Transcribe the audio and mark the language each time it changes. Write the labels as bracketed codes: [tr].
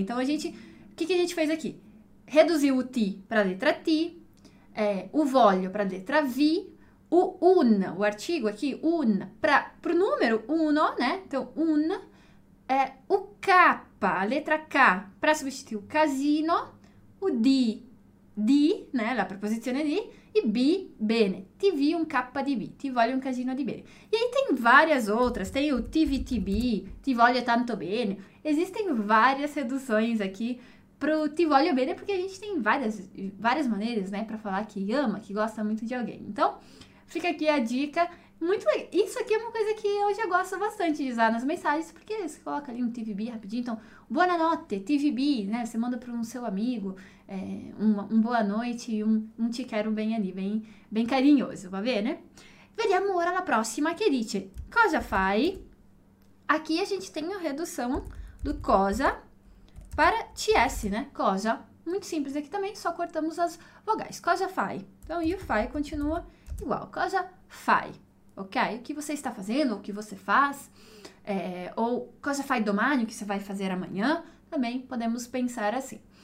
[pt] Então o que a gente fez aqui? Reduziu o ti para a letra ti, o voglio para a letra vi, o artigo aqui, un, para o número uno, né? Então, un, o K, a letra K, para substituir o casino, o di, né? [it] La preposizione di, e b, bene. Ti vi un K di B, ti voglio un casino di bene. [pt] E aí tem várias outras, tem o TVTB, [it] ti voglio tanto bene. [pt] Existem várias reduções aqui pro ti voglio bene, porque a gente tem várias maneiras, né, para falar que ama, que gosta muito de alguém. Então, fica aqui a dica. Muito legal. Isso aqui é uma coisa que eu já gosto bastante de usar nas mensagens, porque você coloca ali um TVB rapidinho. Então, [it] buona notte, [pt] TVB, né? Você manda para um seu amigo, um boa noite e um te quero bem ali, bem, bem carinhoso, [it] va bene? Vediamo ora la prossima che dice. Cosa fai? [pt] Aqui a gente tem a redução do cosa para TS, né? Cosa. Muito simples aqui também, só cortamos as vogais. Cosa fai? Então, io fai continua igual. Cosa fai? Ok? O que você está fazendo, o que você faz, ou [it] cosa fai domani, [pt] o que você vai fazer amanhã, também podemos pensar assim.